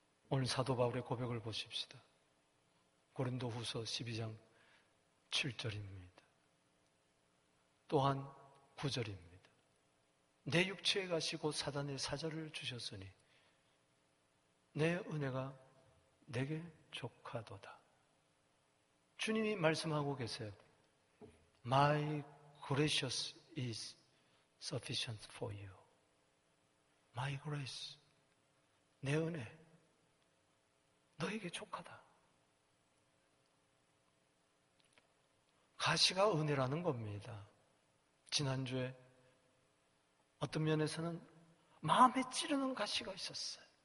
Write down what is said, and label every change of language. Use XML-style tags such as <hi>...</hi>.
<ko>오늘 사도 바울의 고백을 보십시다. 고린도후서 12장 7절입니다. 또한 9절입니다. 내 육체의 가시 곧 사단의 사자를 주셨으니 내 은혜가 내게 족하도다. 주님이 말씀하고 계세요.</ko> <en>My gracious is sufficient for you. My grace,</en> <ko>내 은혜, 너에게 족하다. 가시가 은혜라는 겁니다. 지난주에 어떤 면에서는 마음에 찌르는 가시가 있었어요.</ko>